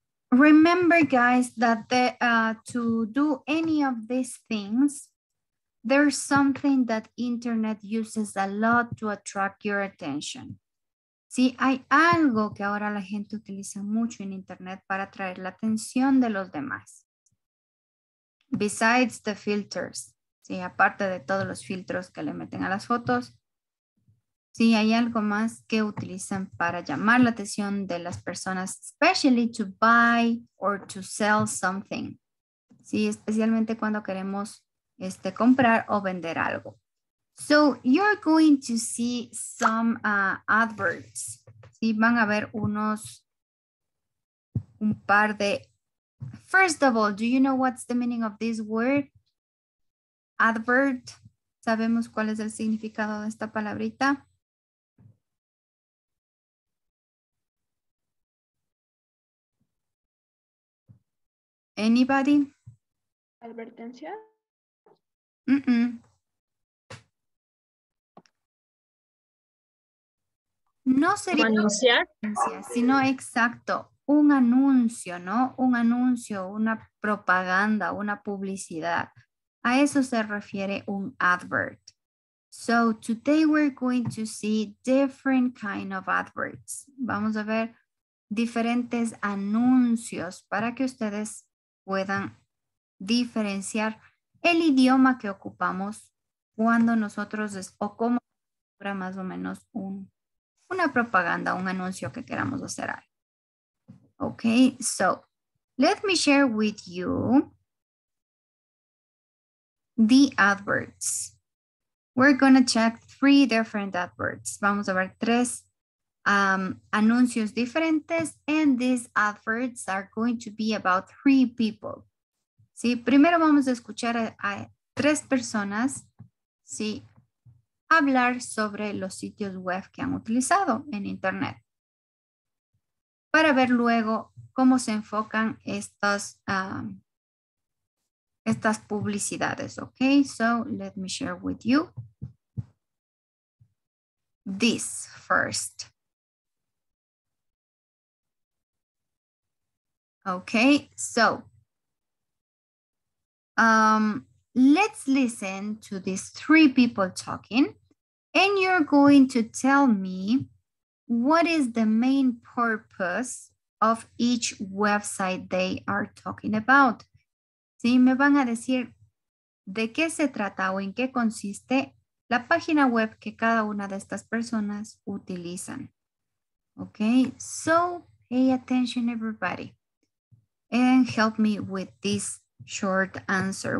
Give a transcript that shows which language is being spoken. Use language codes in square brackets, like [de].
[en] Remember, guys, that to do any of these things, there's something that internet uses a lot to attract your attention. [es] Sí, hay algo que ahora la gente utiliza mucho en internet para atraer la atención de los demás. [en] Besides the filters, [es] sí, aparte de todos los filtros que le meten a las fotos. Sí, hay algo más que utilizan para llamar la atención de las personas, [en] especially to buy or to sell something. [es] Sí, especialmente cuando queremos comprar o vender algo. [en] So you're going to see some adverts. [es] Sí, van a ver un par de. [en] First of all, do you know what's the meaning of this word? Advert. [es] ¿Sabemos cuál es el significado de esta palabrita? [en] Anybody? [es] Advertencia. No sería anunciar, sino exacto, un anuncio, ¿no? Un anuncio, una propaganda, una publicidad. A eso se refiere un advert. [en] So today we're going to see different kind of adverts. [es] Vamos a ver diferentes anuncios para que ustedes puedan diferenciar el idioma que ocupamos cuando nosotros es, o como para más o menos un, una propaganda, un anuncio que queramos hacer ahí. [en] Okay, so let me share with you the adverts. We're going to check three different adverts. [es] Vamos a ver tres anuncios diferentes, [en] and these adverts are going to be about three people. [es] Sí, primero vamos a escuchar a tres personas, sí, hablar sobre los sitios web que han utilizado en internet, para ver luego cómo se enfocan estas, estas publicidades. [en] Ok, so let me share with you this first. Ok, so let's listen to these three people talking, and you're going to tell me what is the main purpose of each website they are talking about. [es] Sí, me van a decir de qué se trata o en qué consiste la página web que cada una de estas personas utilizan. [en] Okay, so pay attention everybody and help me with this short answer.